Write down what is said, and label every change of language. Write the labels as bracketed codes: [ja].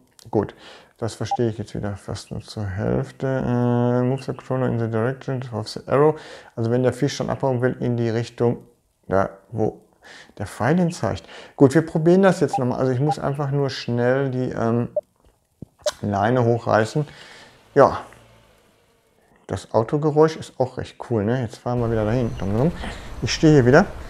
[de] Gut, das verstehe ich jetzt wieder fast nur zur Hälfte. [en] Move the controller in the direction of the arrow. [de] Also, wenn der Fisch schon abhauen will, in die Richtung, da wo der Pfeil ihn zeigt. Gut, wir probieren das jetzt nochmal. Also ich muss einfach nur schnell die Leine hochreißen. Ja, das Autogeräusch ist auch recht cool. Ne? Jetzt fahren wir wieder dahin. Ich stehe hier wieder.